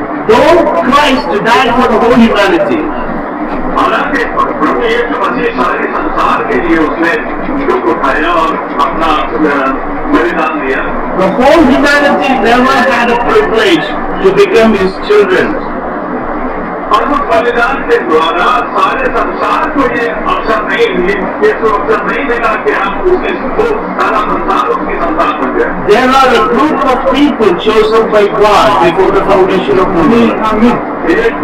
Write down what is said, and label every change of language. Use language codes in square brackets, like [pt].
[en] Though Christ died for the whole humanity, [hi] हालांकि प्रभु यीशु मसीह सारे संसार के लिए उसने दुख उठाया और अपना बलिदान दिया. [en] The whole humanity never had a privilege to become his children. [hi] और उस बलिदान के द्वारा सारे संसार को ये अवसर नहीं मिले, ये सुरक्षा नहीं मिला कि हम उसके सारा संसार उसकी संतान बन जाए. [en] There are a group of people chosen by God before the foundation of the world.